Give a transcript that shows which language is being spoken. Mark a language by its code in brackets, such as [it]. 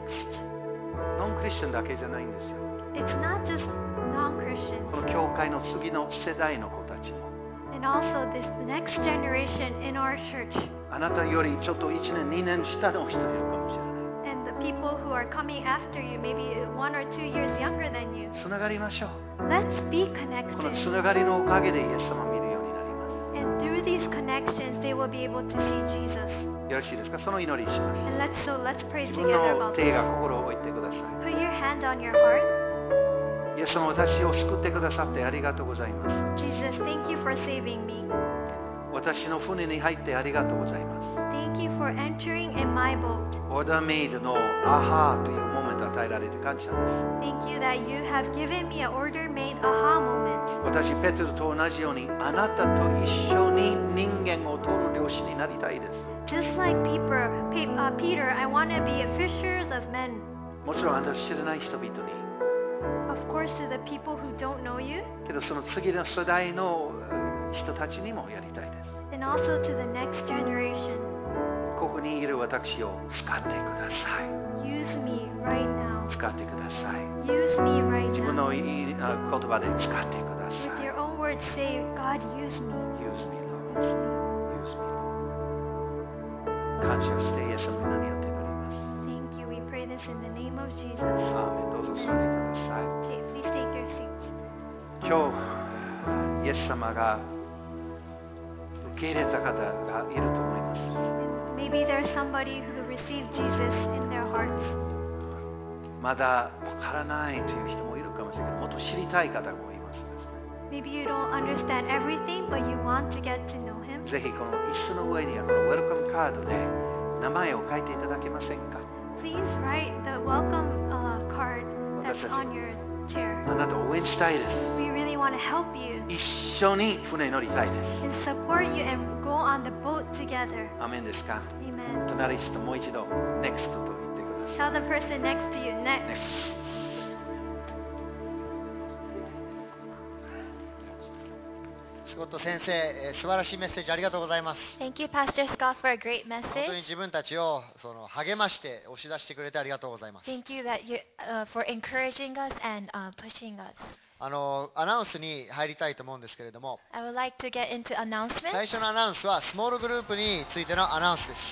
[ja] この教会の次の世代の子たちも。 [en] And also this next generation in our church. [ja] あなたよりちょっと1年、2年下の人いるかもしれない。 [en] And the people who are coming after you, maybe one or two years younger than you. [ja] つながりましょう。 [en] Let's be connected. [ja] このつながりのおかげでイエス様を見るようになります。 [en] And through these connections, they will be able to see Jesus. [ja] よろしいですか？その祈りします。 [en] And let's pray together about this. [ja] 自分の手が心を置いてください。 [en] Put your hand on your heart. [ja] イエス様、私を救ってくださってありがとうございます。 [en] Jesus, thank you for saving me. [ja] 私の船に入ってありがとうございます。 [en] Thank you for entering in my boat. [ja] オーダーメイドのアハーというモメントを与えられて感謝です。 [en] Thank you that you have given me an order made aha moment. [ja] 私ペテロと同じようにあなたと一緒に人間を取る漁師になりたいです。 [en] Just like Peter, I want to be a fisher of men. [ja] もちろんあなたを知らない人々に、 [en] Of course, to the people who don't know you. [ja] けどその次の世代の人たちにもやりたいです。 [en] And also to the next generation. [ja] ここにいる私を使ってください。 [en] Use me right now. [ja] 使ってください。 [en] Use me right now. [ja] 自分の言葉で使ってください。 [en] With your own words, say, God, use me. Use me, Lord. Use me, Lord. [ja] 感謝してイエス様に祈っております。 [en] Thank you. We pray this in the name of Jesus. [ja] アーメン。どうぞ座りください。 [en] Okay, please take your seats. [ja] 今日、イエス様が受け入れた方がいると思います。 [en] Maybe there's somebody who received Jesus in their hearts. [ja] まだ分からないという人もいるかもしれない。もっと知りたい方もいます。 [en] Maybe you don't understand everything, but you want to get to know him. [ja] ぜひこの椅子の上にあるウェルカムカードで名前を書いていただけませんか。 [en] Please write the welcome, card. [ja] あなたを応援したいです。 [en] We really want to help you. [ja] 一緒に船に乗りたいです。 [en] And support you and go on the boat together. [ja] アメンですか？ [en] Amen. [ja] 隣人もう一度 next と言ってください。 [en] Tell the person next to you next. Next. [ja] Scott 先生、素晴らしいメッセージありがとうございます。 [en] Thank you, Pastor Scott, for a great message. [ja] 本当に自分たちをその励まして押し出してくれてありがとうございます。 [en] Thank you that you, for encouraging us and, pushing us. [ja] アナウンスに入りたいと思うんですけれども、 [en] I would like to get into announcement. [ja] 最初のアナウンスはスモールグループについてのアナウンスです。